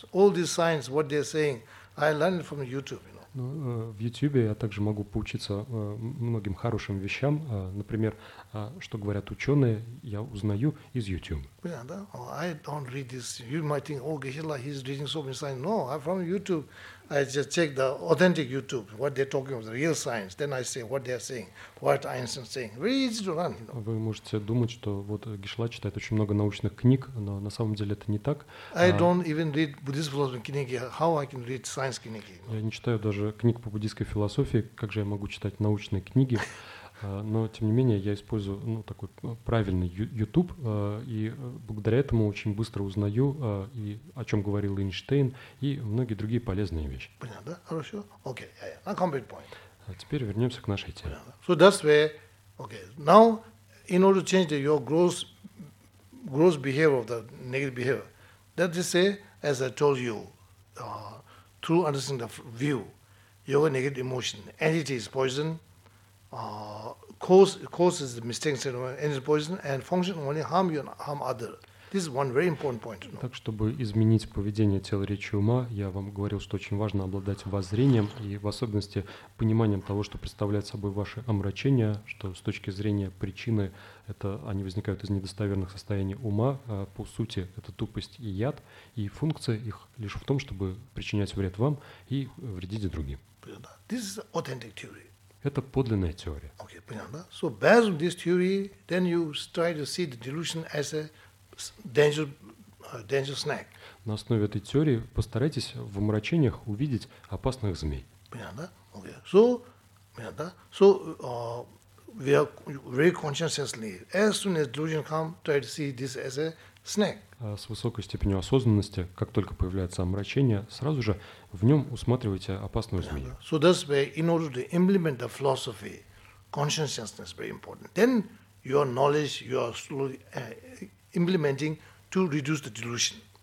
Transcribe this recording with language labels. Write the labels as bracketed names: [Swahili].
[English] All these signs, what they're saying, I learned from YouTube, you know. [Russian] Ну, в YouTube я также могу поучиться многим хорошим вещам. Например, что говорят ученые, я узнаю из YouTube. [English] Yeah, да? Oh, I don't read this. You might think, oh, Geshe-la, he's reading so many signs. No, I'm from YouTube. I just check the authentic YouTube, what they're talking about, the real science. Then I say what they're saying, what Einstein's saying. Very easy to learn. You know? [Russian] Вы можете думать, что вот Geshe-la читает очень много научных книг, но на самом деле это не так. [English] I don't even read Buddhist philosophy [Russian] книги. [English] How I can read science [Russian] книги? [English] You know? [Russian] Я не читаю даже книг по буддийской философии. Как же я могу читать научные книги? Но, тем не менее, я использую ну, такой правильный YouTube, и благодаря этому очень быстро узнаю, и о чем говорил Эйнштейн, и многие другие полезные вещи. Понятно, да? Хорошо? Окей, [English] okay, yeah, yeah. Complete point. [Russian] А теперь вернемся к нашей теме. Понятно. [English] So that's where, okay, now, in order to change your gross behavior, of the negative behavior, that is say, as I told you, through understanding the view, your negative emotion, entity is poison, causes the mistakes and energy poison and function only harm you and harm other. This is one very important point. [Russian] Так, чтобы изменить поведение тела, речи, ума, я вам говорил, что очень важно обладать воззрением и в особенности пониманием того, что представляет собой ваше омрачение, что с точки зрения причины это они возникают из недостоверных состояний ума, по сути это тупость и яд, и функция их лишь в том, чтобы причинять вред вам и вредить другим. [English] This is authentic theory. [Russian] Это подлинная теория. Okay, понятно. [English] So based on this theory, then you try to see the delusion as a dangerous snake. [Russian] На основе этой теории постарайтесь в омрачениях увидеть опасных змей. Понятно. [English] Okay. So, [Russian] понятно. [English] So, we are very consciously, as soon as delusion comes, try to see this as a snake. [Russian] С высокой степенью осознанности, как только появляется омрачение, сразу же в нем усматривайте опасную змею. [English] So that's why in order to implement the philosophy, consciousness is very important. Then your knowledge, you are slowly implementing to reduce the delusion.